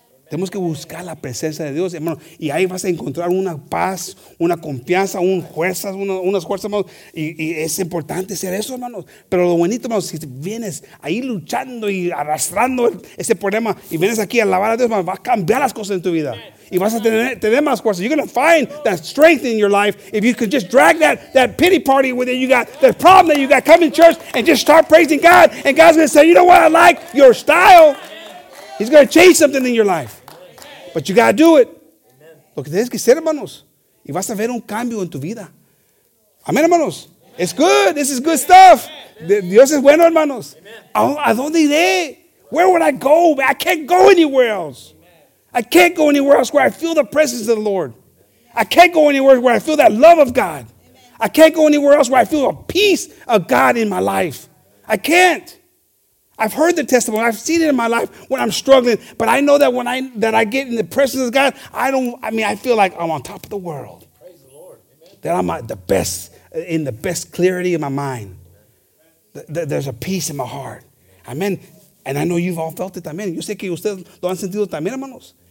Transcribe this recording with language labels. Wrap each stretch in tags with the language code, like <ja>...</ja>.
<es>Tenemos que buscar la presencia de Dios, hermano. Y ahí vas a encontrar una paz, una confianza, unas fuerzas, hermanos. Y es importante ser eso, hermanos. Pero lo bonito, hermanos, si vienes ahí luchando y arrastrando ese problema y vienes aquí a alabar a Dios, hermano, va a cambiar las cosas en tu vida. Y vas a tener más fuerza.</es> <en>You're going to find that strength in your life if you could just drag that pity party with it. You got the problem that you got. Come in church and just start praising God. And God's going to say, you know what? I like your style. He's going to change something in your life. But you got to do it.</en> <es>Lo que tienes que hacer, hermanos. Y vas a ver un cambio en tu vida. Amén, hermanos.</es> <en>It's good. This is good stuff.</en> <es>Dios es bueno, hermanos. ¿A dónde iré?</es> <en>Where would I go? I can't go anywhere else. I can't go anywhere else where I feel the presence of the Lord. I can't go anywhere where I feel that love of God. I can't go anywhere else where I feel a peace of God in my life. I can't. I've heard the testimony. I've seen it in my life when I'm struggling. But I know that when I get in the presence of God, I feel like I'm on top of the world. Praise the Lord. Amen. That I'm at the best, in the best clarity of my mind. There's a peace in my heart. Amen. And I know you've all felt it también.</en> <es>Yo sé que ustedes lo han sentido también, hermanos.</es>